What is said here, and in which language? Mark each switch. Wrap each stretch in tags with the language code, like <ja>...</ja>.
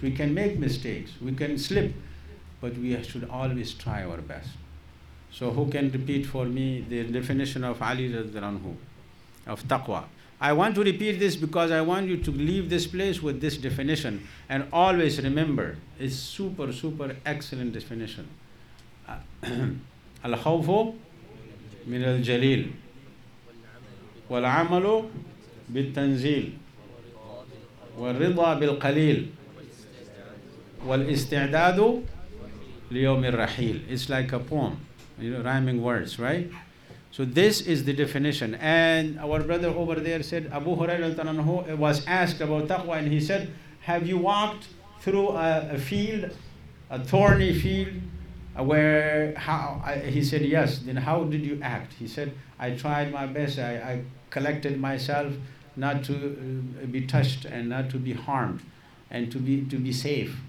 <en>We can make mistakes, we can slip, but we should always try our best. So who can repeat for me the definition of Ali radhiyallahu anhu, of taqwa? I want to repeat this because I want you to leave this place with this definition and always remember, it's super, super excellent definition.</en> <ar>الخوف من الجليل والعمل بالتنزيل والرضا بالقليل والاستعداد ليوم الرحيل.</ar> <en>It's like a poem, rhyming words, right? So this is the definition. And our brother over there said, Abu Hurairah was asked about taqwa, and he said, have you walked through a field, a thorny field, he said, yes. Then how did you act? He said, I tried my best. I collected myself not to be touched and not to be harmed and to be safe.</en>